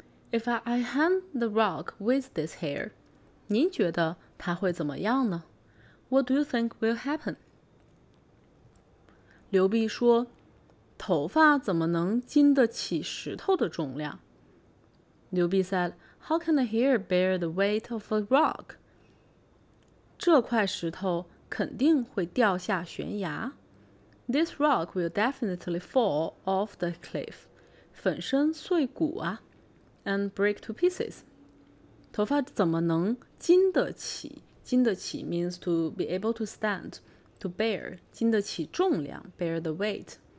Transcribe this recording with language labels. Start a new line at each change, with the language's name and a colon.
English: If I hang the rock with this hair,
Chinese: 您觉得它会怎么样呢？
English: What do you think will happen?
Chinese: 刘辟说，头发怎么能经得起石头的重量？
English: 刘辟 said, How can a hair bear the weight of a rock?
Chinese: 这块石头肯定会掉下悬崖。
English: This rock will definitely fall off the cliff.
Chinese: 粉身碎骨啊。
English: And break to pieces.
Chinese: 头发怎么能经得起？
English: 经得起 means to be able to stand, to bear, 经得起重量 bear the weight.